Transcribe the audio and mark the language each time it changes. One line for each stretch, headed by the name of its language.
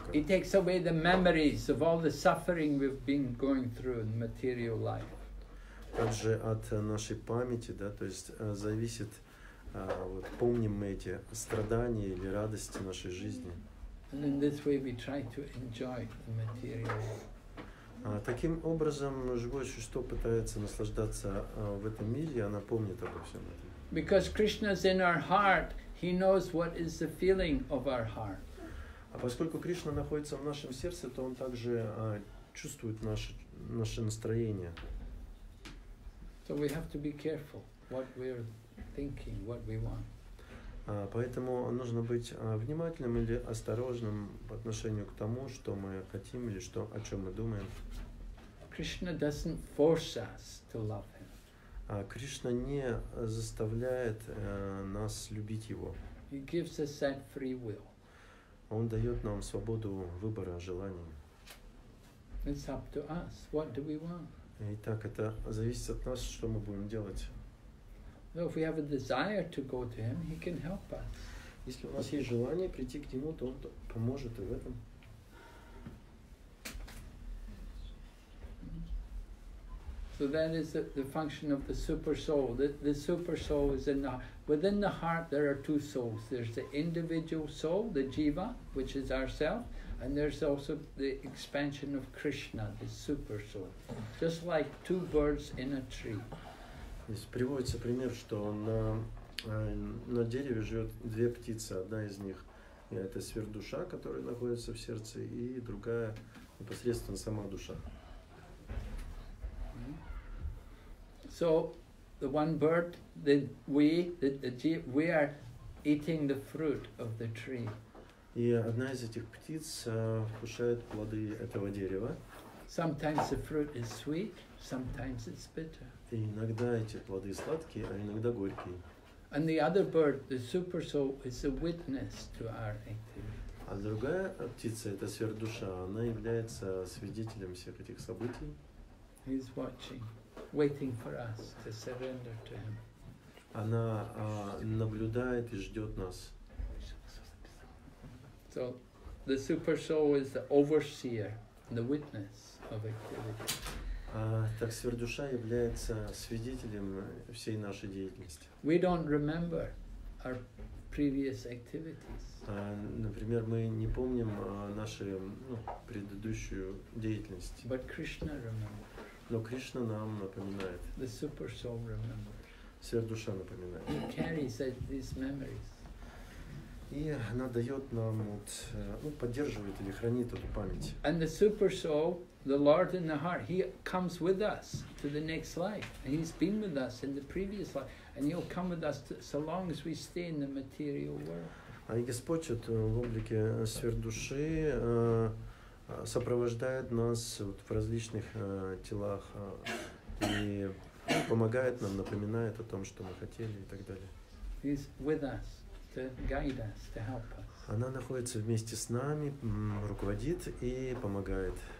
English: He takes away the memories of all the suffering we've been going through in material life.
Russian: Также от нашей памяти, да, то есть зависит, вот помним мы эти страдания или радости нашей жизни.
English: And in this way we try to enjoy the material life.
Russian: Таким образом, живое существо пытается наслаждаться в этом мире, и она помнит обо всем этом.
English: Because Krishna's in our heart, he knows what is the feeling of our heart.
Russian: А поскольку Кришна находится в нашем сердце, то он также чувствует наше настроение.
English: So we have to be careful. what we're thinking, what we want.
Russian: Поэтому нужно быть внимательным или осторожным по отношению к тому, что мы хотим или что, о чем мы думаем.
English: Krishna doesn't force us to love him.
Russian: Кришна не заставляет нас любить его.
English: He gives us that free will.
Russian: Он дает нам свободу выбора желаний.
English: It's up to us. What do we want?
Russian: Итак, это зависит от нас, что мы будем делать.
English: If we have a desire to go to him, he can help us.
Russian: Если у нас есть желание прийти к нему, то он поможет и в этом.
English: So that is the function of the super soul. The super soul is in the within the heart. There are two souls. There's the individual soul, the jiva, which is ourself, and there's also the expansion of Krishna, the super soul, just like two birds in a tree.
Russian: Здесь приводится пример, что на дереве живет две птицы. Одна из них это сверхдуша, которая находится в сердце, и другая непосредственно сама душа.
English: So the one bird, we are eating the fruit of the tree.
Russian: И одна из этих птиц вкушает плоды этого дерева.
English: Sometimes the fruit is sweet, sometimes it's bitter.
Russian: И иногда эти плоды сладкие, а иногда горькие.
English: And the other bird, the super soul, is a witness to our activity.
Russian: А другая птица, это сверхдуша, она является свидетелем всех этих событий.
English: He's watching. Waiting for us to surrender to him.
Russian: Она наблюдает и ждет нас.
English: So the super soul is the overseer, the witness of activity.
Russian: Так сверхдуша является свидетелем всей нашей деятельности.
English: We don't remember our previous activities.
Russian: Например, мы не помним нашу предыдущую деятельность.
English: But Krishna remembers.
Russian: Но Кришна нам напоминает.
English: The super soul remembers.
Russian: Сверхдуша напоминает.
English: He carries these memories.
Russian: И она дает нам поддерживает или хранит эту память.
English: And the super soul, the Lord in the heart, he comes with us to the next life. And he's been with us in the previous life, and he'll come with us so long as we stay in the material world.
Russian: А Господь в облике сверхдуши сопровождает нас в различных телах и помогает нам, напоминает о том, что мы хотели и так далее.
English: He's with us to guide us, to help us.
Russian: Она находится вместе с нами, руководит и помогает.